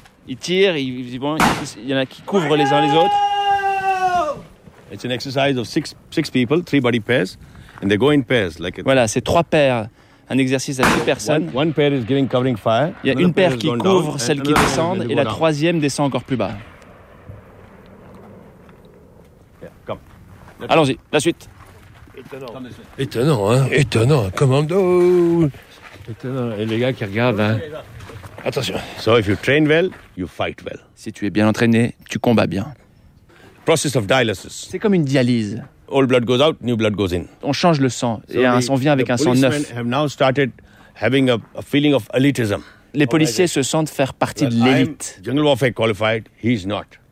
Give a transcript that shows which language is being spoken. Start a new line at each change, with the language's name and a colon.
French: Ils tirent, ils vont, il y en a qui couvrent les uns les autres.
English: It's an exercise of six people, three body pairs, and they go in pairs. Like
French: voilà, c'est trois paires, un exercice à six personnes.
English: One pair is giving covering fire.
French: Il y a une paire qui couvre celle qui descend, et la troisième descend encore plus bas.
English: Yeah, come.
French: Allons-y, la suite. Étonnant, hein? Étonnant, commando! Étonnant, et les gars qui regardent, hein? Attention.
English: So if you train well, you fight well.
French: Si tu es bien entraîné, tu combats bien.
English: Process of dialysis.
French: C'est comme une dialyse.
English: All blood goes out, new blood goes in.
French: On change le sang et so on vient avec un sang neuf.
English: Have now started having a feeling of elitism.
French: Les policiers se sentent faire partie de l'élite.
English: Jungle warfare qualified, he's not.